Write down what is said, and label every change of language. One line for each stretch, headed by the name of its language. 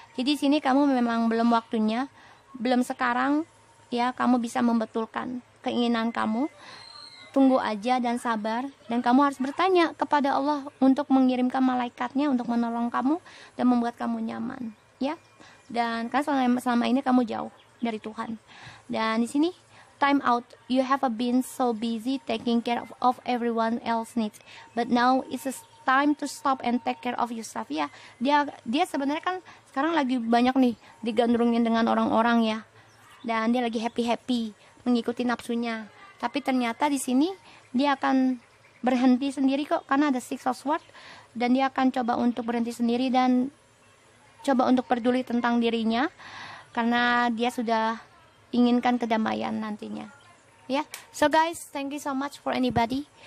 Indonesian: Jadi sini kamu memang belum waktunya, belum sekarang, ya, kamu bisa membetulkan keinginan kamu. Tunggu aja dan sabar, dan kamu harus bertanya kepada Allah untuk mengirimkan malaikatnya untuk menolong kamu dan membuat kamu nyaman, ya. Dan kan selama ini kamu jauh dari Tuhan. Dan di sini,
English: time out, you have been so busy taking care of everyone else needs, but now it's time to stop and take care of yourself.
Indonesian: Ya, dia sebenarnya kan sekarang lagi banyak nih digandrungin dengan orang-orang, ya, dan dia lagi happy-happy mengikuti nafsunya. Tapi ternyata di sini dia akan berhenti sendiri kok, karena ada Six of Swords, dan dia akan coba untuk berhenti sendiri dan coba untuk peduli tentang dirinya, karena dia sudah inginkan kedamaian nantinya. Ya, yeah.
English: So guys, thank you so much for anybody.